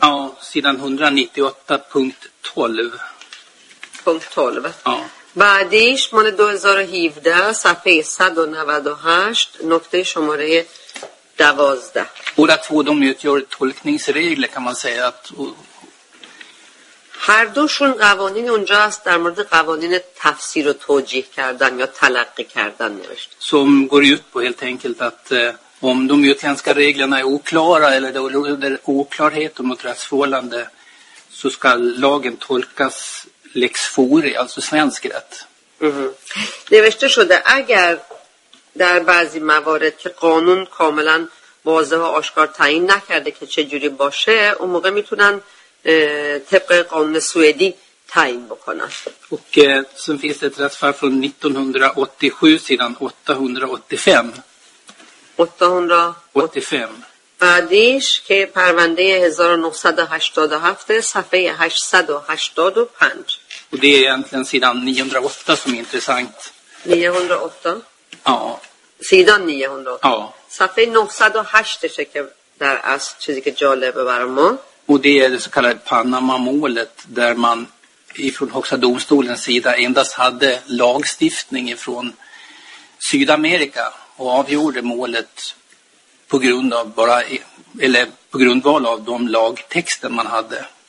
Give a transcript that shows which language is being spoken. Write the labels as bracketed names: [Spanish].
[Swedish] Ja, sidan 198 punkt 12. Punkt 12. Ja. [Persian] Badish man 2017 safe 198 nokte shomare 12. [Swedish] Båda två de utgör tolkningsregler kan man säga att [Persian] هر دوشون قوانین اونجا است در مورد قوانین تفسیر و توجیه کردن یا تلقی کردن نوشته. [Swedish] Som går ut på helt enkelt att om de utländska reglerna är oklara eller det råder oklarhet om ett rättsförhållande så ska lagen tolkas lex fore, alltså svensk rätt. [Persian] Nevesh to shode agar dar ba'zi mavarid ke qanun kamlan واضح و آشکار تعیین نکرده که چه جوری باشه، اون موقع میتونن طبق قانون سوئدی تعیین بکنن. [Swedish] Och sen finns det ett rättsfall från 1987 sidan 885. [Persian] 885. بعدیش که پرونده 1987 صفحه 885. [Swedish] Och det är egentligen sidan 908 som är intressant. 908? Ja. Sidan 908? Ja. [Persian] صفحه 908 [Swedish] är det där är [Persian] چیزی که جالب برام. [Swedish] Och det är det så kallade Panama-målet där man ifrån Högsta domstolens sida endast hade lagstiftning från Sydamerika och avgjorde målet på grund av bara eller på grundval av de lagtexter man hade.